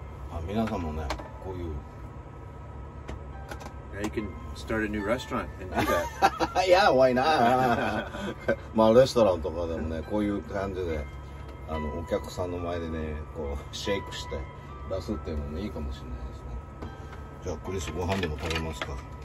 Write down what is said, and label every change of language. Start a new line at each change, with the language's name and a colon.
Japanese: あ、皆さんもね、こういう。
English: Yeah, you can start a new restaurant and do that. yeah, why not?
Japanese: まあ、レストランとかでもね、こういう感じで、あの、お客さんの前でね、こう、シェイクして出すっていうのもいいかもしれないですね。じゃあ、クリス、ご飯でも食べますか。